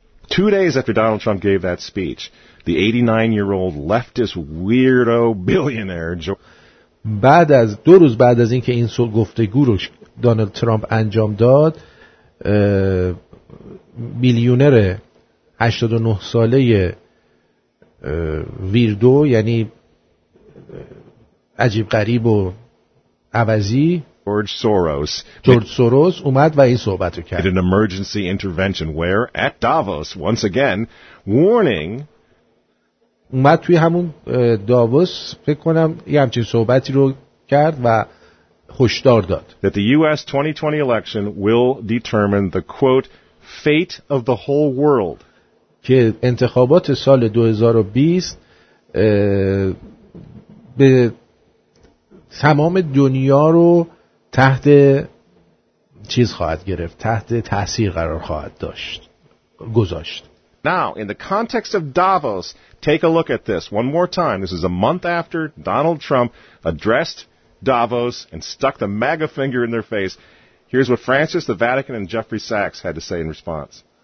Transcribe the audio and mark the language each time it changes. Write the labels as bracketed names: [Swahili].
[English] Two days after Donald Trump gave that speech, the 89-year-old leftist weirdo billionaire. [Persian] بعد از دو روز بعد از اینکه این گفتگو رو دونالد ترامپ انجام داد، میلیونر 89 ساله ویردو، یعنی عجیب غریب و عوضی، جورج سوروس اومد و این صحبت رو کرد. [English] In an emergency intervention where at Davos once again warning [Persian] ما توی همون داووس فکر کنم یه همچین صحبتی رو کرد و هشدار داد. [English] That the US 2020 election will determine the quote fate of the whole world. [Persian] که انتخابات سال 2020 به تمام دنیا رو تحت چیز خواهد گرفت، تحت تأثیر قرار خواهد داشت، گذاشت. [English] Now, in the context of Davos, take a look at this one more time. This is a month after Donald Trump addressed Davos and stuck the MAGA finger in their face. Here's what Francis, the Vatican, and Jeffrey Sachs had to say in response.